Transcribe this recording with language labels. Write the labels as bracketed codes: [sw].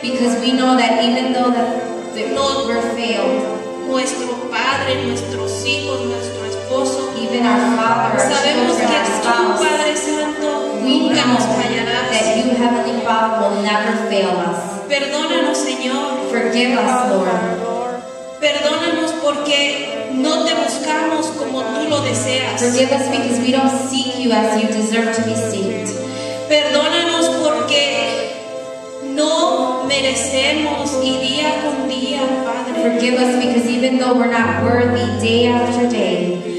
[en] because we know that even though we're failed, [es] nuestro padre, nuestros hijos, nuestro esposo, [en] even our father, [es] sabemos [en] our children, [es] que [en] our spouse, [es] Padre Santo, nunca nos fallará. [en] That you, Heavenly Father, will never fail us. [es] Perdónanos, Señor. [en] Forgive us, Lord. [es] Perdónanos porque no te buscamos como tú lo deseas. [en] Forgive us because we don't seek you as you deserve to be sought. [es] Perdónanos porque no merecemos y día con día, Padre. [en] Forgive us because even though we're not worthy day after day,